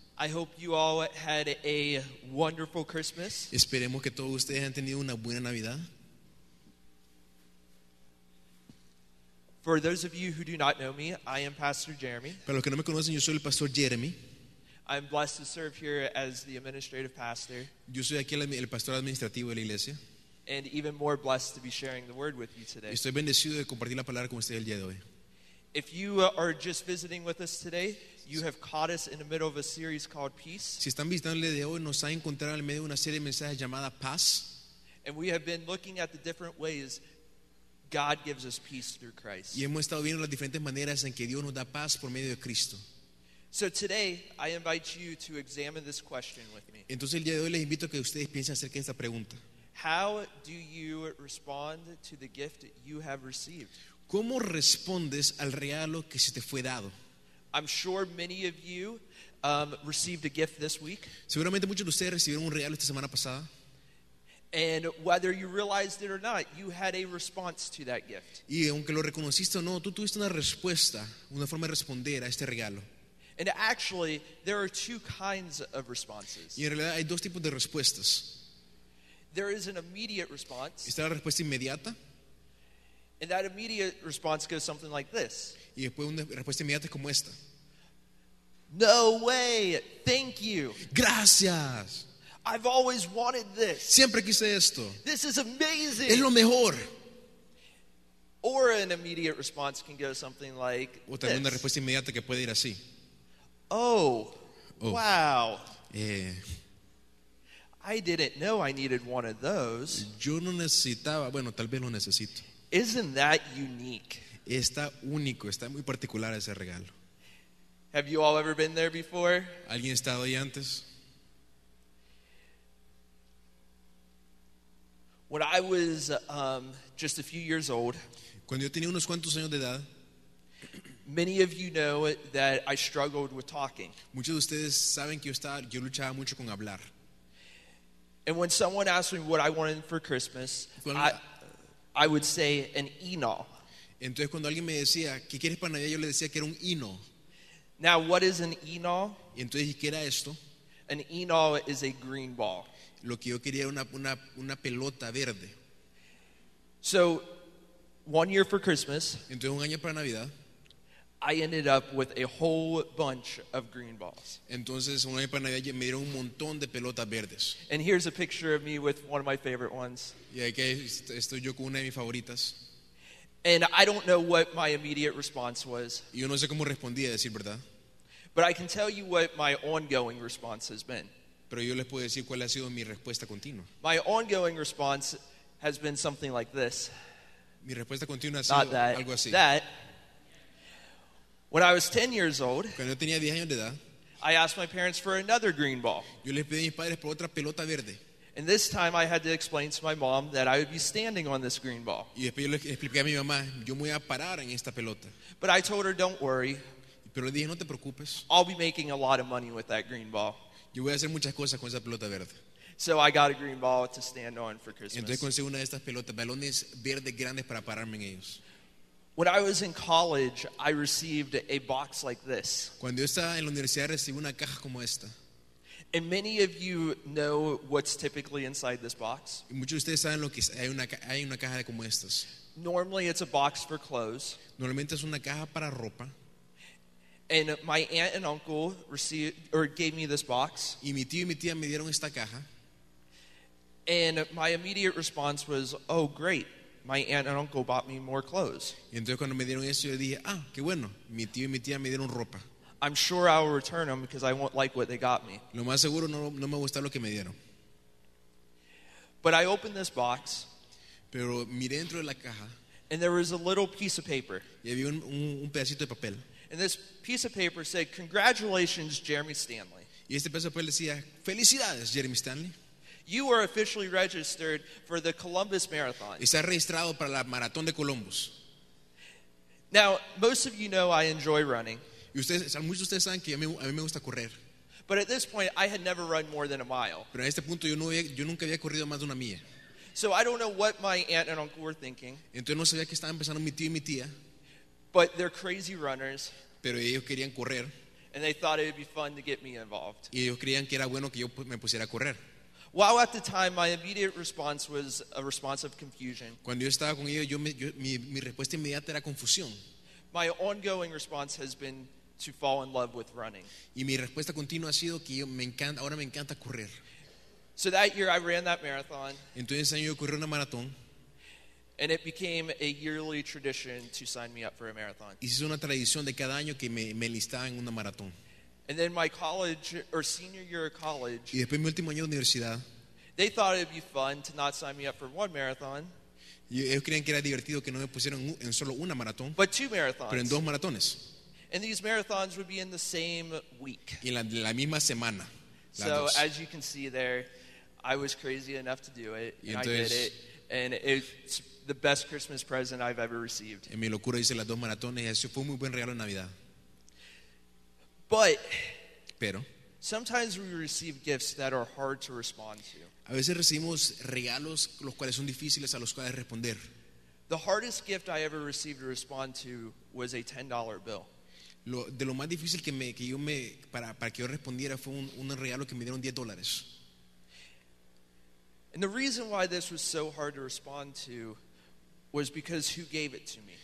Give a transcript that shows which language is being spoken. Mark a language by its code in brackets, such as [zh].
[en] I hope you all had a wonderful Christmas. [es] Esperemos que todos ustedes hayan tenido una buena Navidad. [en] For those of you who do not know me, I am Pastor Jeremy. [es] Para los que no me conocen, yo soy el Pastor Jeremy. [en] I'm blessed to serve here as the administrative pastor. [es] Yo soy aquí el pastor administrativo de la iglesia. [en] And even more blessed to be sharing the word with you today. [es] Estoy bendecido de compartir la palabra con ustedes el día de hoy. [en] If you are just visiting with us today, you have caught us in the middle of a series called Peace. [es] Si están visitándole de hoy, nos ha encontrado en medio de una serie de mensajes llamada Paz. [en] And we have been looking at the different ways God gives us peace through Christ. [es] Y hemos estado viendo las diferentes maneras en que Dios nos da paz por medio de Cristo. [en] So today, I invite you to examine this question with me. [es] Entonces el día de hoy les invito a que ustedes piensen acerca de esta pregunta. [en] How do you respond to the gift you have received? [es] ¿Cómo respondes al regalo que se te fue dado? [en] I'm sure many of you received a gift this week. [es] Seguramente muchos de ustedes recibieron un regalo esta semana pasada. [en] And whether you realized it or not, you had a response to that gift. [es] Y aunque lo reconociste o no, tú tuviste una respuesta, una forma de responder a este regalo. [en] And actually, there are two kinds of responses. [es] Y en realidad hay dos tipos de respuestas. [en] There is an immediate response. [es] Está la respuesta inmediata. [en] And that immediate response goes something like this. [es] Y después una respuesta inmediata es como esta. [en] No way! Thank you! [es] Gracias! [en] I've always wanted this. [es] Siempre quise esto. [en] This is amazing. [es] Es lo mejor. [en] Or an immediate response can go something like [es] this. O también una respuesta inmediata que puede ir así. [en] Oh. Wow. Yeah. I didn't know I needed one of those. [es] Yo no necesitaba, bueno, tal vez lo necesito. [en] Isn't that unique? [es] Está único, está muy particular ese regalo. [en] Have you all ever been there before? [es] ¿Alguien ha estado ahí antes? [en] When I was just a few years old, [es] cuando yo tenía unos cuantos años de edad, [en] many of you know that I struggled with talking. [es] Muchos de ustedes saben que yo luchaba mucho con hablar. [en] And when someone asked me what I wanted for Christmas, I would say an eno. [es] Entonces cuando alguien me decía qué quieres para Navidad, yo le decía que era un eno. [en] Now what is an eno? [es] Entonces ¿qué era esto? [en] An eno is a green ball. [es] Lo que yo quería era una pelota verde. [en] So, one year for Christmas, [es] entonces un año para Navidad, [en] I ended up with a whole bunch of green balls. [es] Entonces un año para Navidad me dieron un montón de pelotas verdes. [en] And here's a picture of me with one of my favorite ones. [es] Y aquí estoy yo con una de mis favoritas. [en] And I don't know what my immediate response was. [es] Yo no sé cómo respondí, a decir verdad. [en] But I can tell you what my ongoing response has been. [es] Pero yo les puedo decir cuál ha sido mi respuesta continua. [en] My ongoing response has been something like this. [es] Mi respuesta continua ha sido algo así. [en] Not that. That. When I was 10 years old, [es] cuando yo tenía 10 años de edad, [en] I asked my parents for another green ball. [es] Yo les pedí a mis padres por otra pelota verde. [en] And this time I had to explain to my mom that I would be standing on this green ball. [es] Y después yo le expliqué a mi mamá, yo me voy a parar en esta pelota. [en] But I told her, don't worry. [es] Pero le dije, no te preocupes. [en] I'll be making a lot of money with that green ball. [es] Yo voy a hacer muchas cosas con esa pelota verde. [en] So I got a green ball to stand on for Christmas. [es] Entonces conseguí una de estas pelotas, balones verdes grandes para pararme en ellos. [en] When I was in college, I received a box like this. [es] Cuando yo estaba en la universidad, recibí una caja como esta. [en] And many of you know what's typically inside this box. [es] Muchos de ustedes saben lo que hay una caja como estas. [en] Normally it's a box for clothes. [es] Normalmente es una caja para ropa. [en] And my aunt and uncle gave me this box. [es] Y mi tío y mi tía me dieron esta caja. [en] And my immediate response was, "Oh, great. My aunt and uncle bought me more clothes." [es] Y entonces cuando me dieron eso yo dije, "Ah, qué bueno. Mi tío y mi tía me dieron ropa." [en] I'm sure I'll return them because I won't like what they got me. [es] Lo más seguro no me gusta lo que me dieron. [en] But I opened this box. [es] Pero miré dentro de la caja. [en] And there was a little piece of paper. [es] Y había un pedacito de papel. [en] And this piece of paper said, "Congratulations, Jeremy Stanley." [es] Y este pedazo de papel decía, "Felicidades, Jeremy Stanley." [en] You are officially registered for the Columbus Marathon. [es] Está registrado para la Maratón de Columbus. [en] Now, most of you know I enjoy running. [es] Y ustedes, muchos de ustedes saben que a mí me gusta correr. [en] But at this point, I had never run more than a mile. [es] Pero a este punto yo nunca había corrido más de una milla. [en] So I don't know what my aunt and uncle were thinking. [es] Entonces no sabía qué estaban pensando mi tío y mi tía. [en] But they're crazy runners. [es] Pero ellos querían correr. [en] And they thought it would be fun to get me involved. [es] Y ellos creían que era bueno que yo me pusiera a correr. [en] While at the time, my immediate response was a response of confusion. [es] Cuando yo estaba con ellos, mi respuesta inmediata era confusión. [en] My ongoing response has been to fall in love with running. [es] Y mi respuesta continua ha sido que ahora me encanta correr. [en] So that year, I ran that marathon. [es] Entonces ese año yo corrí una maratón. [en] And it became a yearly tradition to sign me up for a marathon. [es] Y es una tradición de cada año que me listaba en una maratón. [en] And then my college, or senior year of college, [es] y después mi último año de universidad, [en] they thought it'd be fun to not sign me up for one marathon. [es] Y ellos creían que era divertido que no me pusieran en solo una maratón, [en] but two marathons. [es] Pero en dos maratones. [en] And these marathons would be in the same week. [es] Y en la misma semana. [en] So [es] dos. [en] As you can see there, I was crazy enough to do it, [es] y [en] and [es] entonces, [en] I did it, and it's the best Christmas present I've ever received. [es] En mi locura hice las dos maratones y eso fue un muy buen regalo de Navidad. [en] But [es] pero, [en] sometimes we receive gifts that are hard to respond to. [es] A veces recibimos regalos los cuales son difíciles a los cuales responder. [en] The hardest gift I ever received to respond to was a $10 bill. [es] De lo más difícil para que yo respondiera fue un regalo que me dieron $10. [en] And the reason why this was so hard to respond to was because who gave it to me.